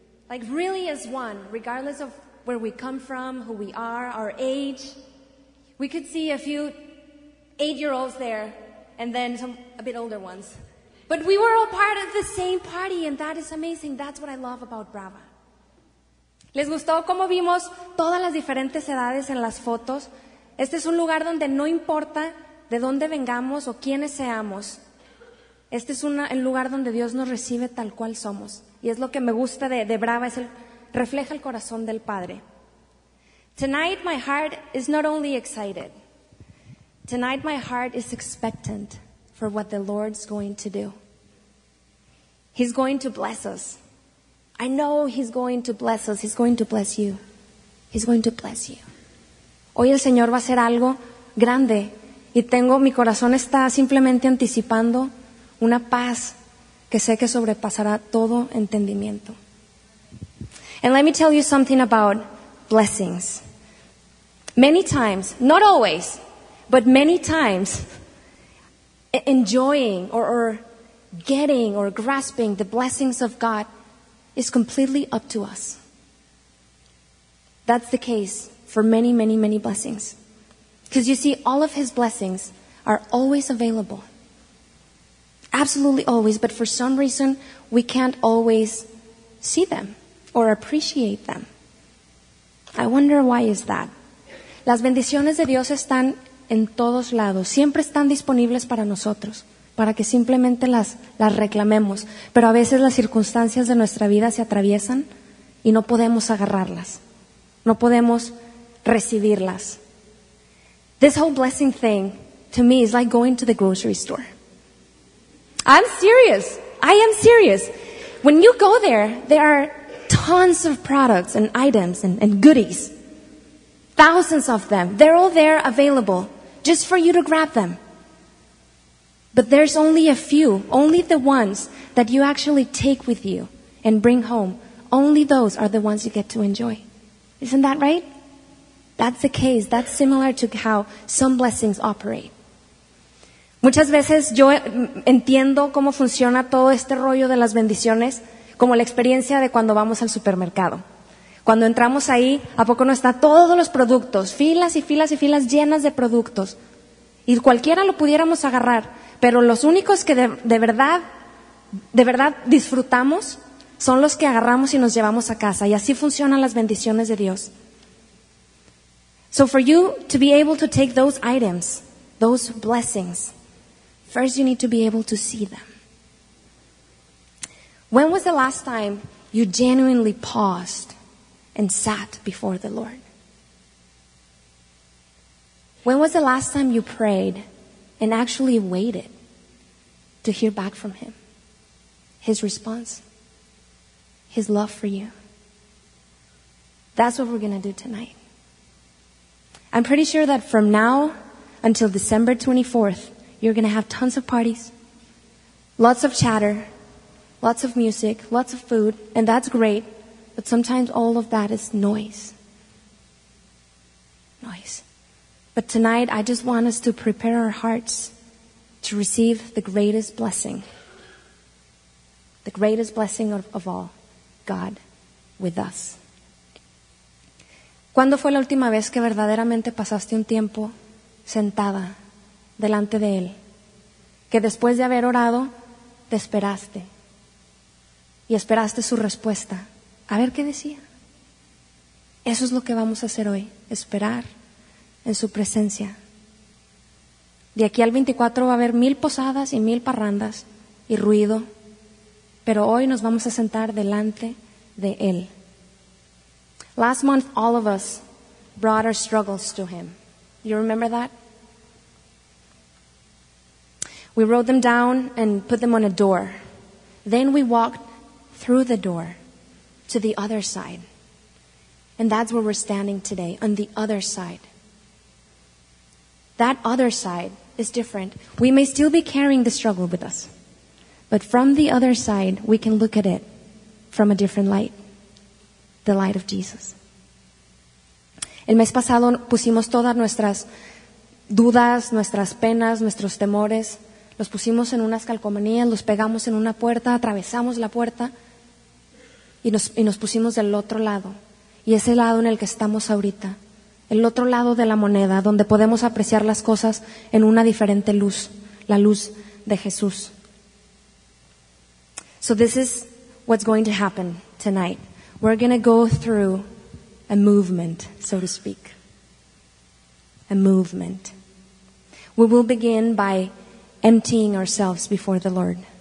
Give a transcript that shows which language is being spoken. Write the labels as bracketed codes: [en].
[en] Like really as one, regardless of where we come from, who we are, our age. We could see a few 8-year-olds there and then some a bit older ones. But we were all part of the same party, and that is amazing. That's what I love about Brava. [es] ¿Les gustó cómo vimos todas las diferentes edades en las fotos? Este es un lugar donde no importa de dónde vengamos o quiénes seamos. Este es el lugar donde Dios nos recibe tal cual somos. Y es lo que me gusta de Brava, refleja el corazón del Padre. [en] Tonight my heart is not only excited. Tonight my heart is expectant for what the Lord's going to do. He's going to bless us. I know He's going to bless us. He's going to bless you. He's going to bless you. [es] Hoy el Señor va a hacer algo grande. Y tengo, mi corazón está simplemente anticipando una paz que sé que sobrepasará todo entendimiento. [en] And let me tell you something about blessings. Many times, not always, but many times, enjoying or getting or grasping the blessings of God is completely up to us. That's the case for many, many, many blessings. Because you see, all of His blessings are always available. Absolutely always, but for some reason, we can't always see them or appreciate them. I wonder why is that? [es] Las bendiciones de Dios están en todos lados. Siempre están disponibles para nosotros, para que simplemente las reclamemos. Pero a veces las circunstancias de nuestra vida se atraviesan y no podemos agarrarlas. No podemos recibirlas. [en] This whole blessing thing, to me, is like going to the grocery store. I'm serious. I am serious. When you go there, there are tons of products and items and goodies. Thousands of them. They're all there available just for you to grab them. But there's only a few, only the ones that you actually take with you and bring home. Only those are the ones you get to enjoy. Isn't that right? That's the case. That's similar to how some blessings operate. [es] Muchas veces yo entiendo cómo funciona todo este rollo de las bendiciones como la experiencia de cuando vamos al supermercado. Cuando entramos ahí, ¿a poco no están todos los productos? Filas y filas y filas llenas de productos. Y cualquiera lo pudiéramos agarrar, pero los únicos que de verdad disfrutamos son los que agarramos y nos llevamos a casa. Y así funcionan las bendiciones de Dios. [en] So for you to be able to take those items, those blessings, first you need to be able to see them. When was the last time you genuinely paused and sat before the Lord? When was the last time you prayed and actually waited to hear back from Him? His response, His love for you. That's what we're going to do tonight. I'm pretty sure that from now until December 24th, you're going to have tons of parties, lots of chatter, lots of music, lots of food, and that's great, but sometimes all of that is noise. Noise. But tonight, I just want us to prepare our hearts to receive the greatest blessing. The greatest blessing of all, God with us. [es] ¿Cuándo fue la última vez que verdaderamente pasaste un tiempo sentada delante de Él? Que después de haber orado, te esperaste. Y esperaste su respuesta. A ver qué decía. Eso es lo que vamos a hacer hoy. Esperar en su presencia. De aquí al 24 va a haber 1,000 posadas y 1,000 parrandas y ruido. Pero hoy nos vamos a sentar delante de Él. [en] Last month, all of us brought our struggles to Him. You remember that? We wrote them down and put them on a door. Then we walked through the door to the other side. And that's where we're standing today, on the other side. That other side is different. We may still be carrying the struggle with us. But from the other side, we can look at it from a different light. The light of Jesus. [es] El mes pasado pusimos todas nuestras dudas, nuestras penas, nuestros temores. Los pusimos en unas calcomanías, los pegamos en una puerta, atravesamos la puerta y nos pusimos del otro lado. Y ese lado en el que estamos ahorita. El otro lado de la moneda, donde podemos apreciar las cosas en una diferente luz, la luz de Jesús. [en] So this is what's going to happen tonight. We're going to go through a movement, so to speak. A movement. We will begin by emptying ourselves before the Lord.